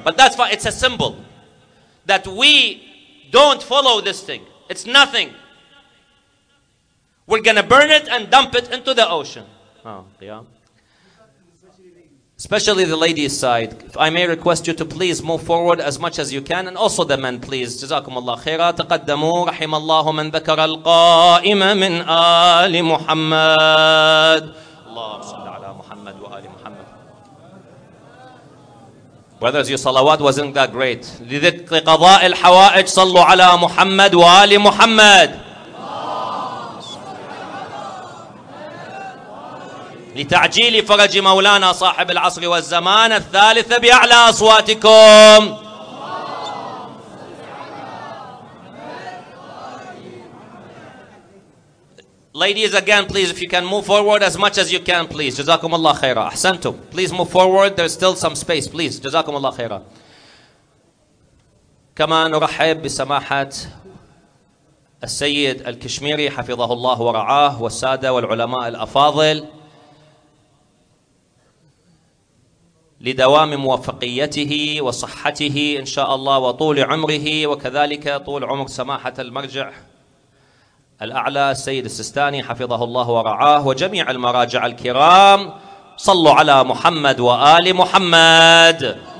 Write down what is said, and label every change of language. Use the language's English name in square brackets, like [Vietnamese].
[English] But that's why it's a symbol that we don't follow this thing. It's nothing. We're going to burn it and dump it into the ocean. Oh, yeah. Especially the ladies' side. If I may request you to please move forward as much as you can. And also the men, please. [Arabic] جزاكم الله خيرا. تقدموا رحم الله من ذكر القائمة من آل محمد. اللهم صل على محمد وآل محمد. [English] Brothers, your salawat wasn't that great. [Arabic] لذكر قضاء الحوائج صلوا على محمد وآل محمد. لتعجيل فرج مولانا صاحب العصر والزمان الثالث بأعلى أصواتكم. [English] Ladies, again, please, if you can move forward as much as you can, please. [Arabic] جزاكم الله خيرا. أحسنتم. [English] Please move forward. There's still some space, please. [Arabic] جزاكم الله خيرا. كما نرحب بسماحة السيد الكشميري حفظه الله ورعاه والسادة والعلماء الأفاضل لدوام موفقيته وصحته إن شاء الله وطول عمره وكذلك طول عمر سماحة المرجع الأعلى السيد السستاني حفظه الله ورعاه وجميع المراجع الكرام صلوا على محمد وآل محمد.